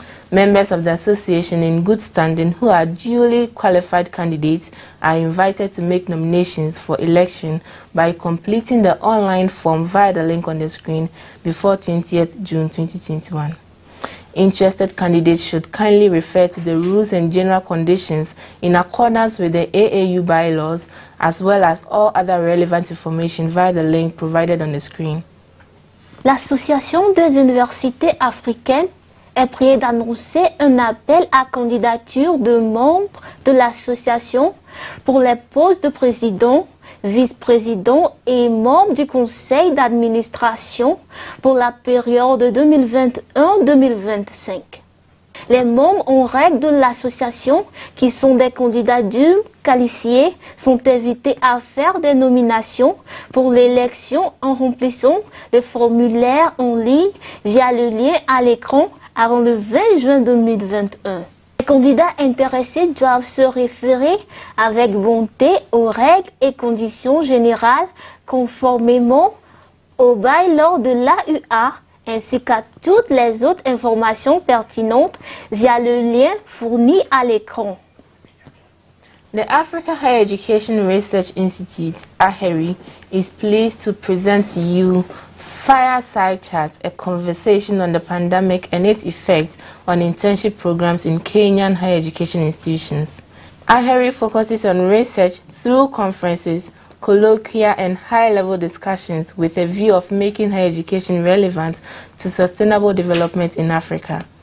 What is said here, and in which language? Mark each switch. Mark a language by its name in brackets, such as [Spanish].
[English] Members of the association in good standing who are duly qualified candidates are invited to make nominations for election by completing the online form via the link on the screen before 20th June 2021. Interested candidates should kindly refer to the rules and general conditions in accordance with the AAU bylaws as well as all other relevant information via the link provided on the screen. [French] L'Association des universités africaines est priée d'annoncer un appel à candidature de membres de l'association pour les postes de président, vice-président et membre du conseil d'administration pour la période 2021-2025. Les membres en règle de l'association qui sont des candidats d'UM qualifiés sont invités à faire des nominations pour l'élection en remplissant le formulaire en ligne via le lien à l'écran avant le 20 juin 2021. Les candidats intéressés doivent se référer avec bonté aux règles et conditions générales conformément aux bylaws de l'AUA ainsi qu'à toutes les autres informations pertinentes via le lien fourni à l'écran. [English] The Africa Higher Education Research Institute, AHERI, is pleased to present to you Fireside Chat, a conversation on the pandemic and its effects on internship programs in Kenyan higher education institutions. AHERI focuses on research through conferences, colloquia, and high-level discussions with a view of making higher education relevant to sustainable development in Africa.